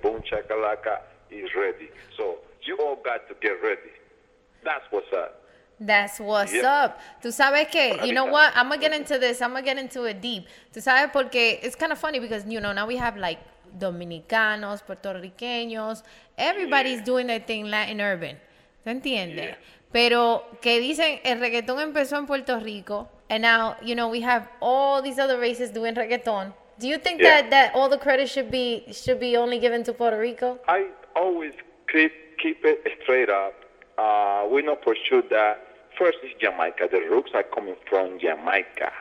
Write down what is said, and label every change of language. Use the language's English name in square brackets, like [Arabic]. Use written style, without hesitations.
[English] Boom Shakalaka is ready. So, you all got to get ready. That's what's up. That's what's up. [Spanish] Tú sabes que, [English] you know what? I'm going to get into this. I'm going to get into it deep. [Spanish] Tú sabes porque [English] it's kind of funny because, you know, now we have like dominicanos, puertorriqueños. Everybody's doing their thing Latin urban. [Spanish] ¿Te entiendes? [English] Yeah. [Spanish] Pero que dicen, el reggaetón empezó en Puerto Rico. [English] And now, you know, we have all these other races doing reggaeton. Do you think that all the credit should be only given to Puerto Rico? I always keep it straight up. We know for sure that first is Jamaica. The roots are coming from Jamaica.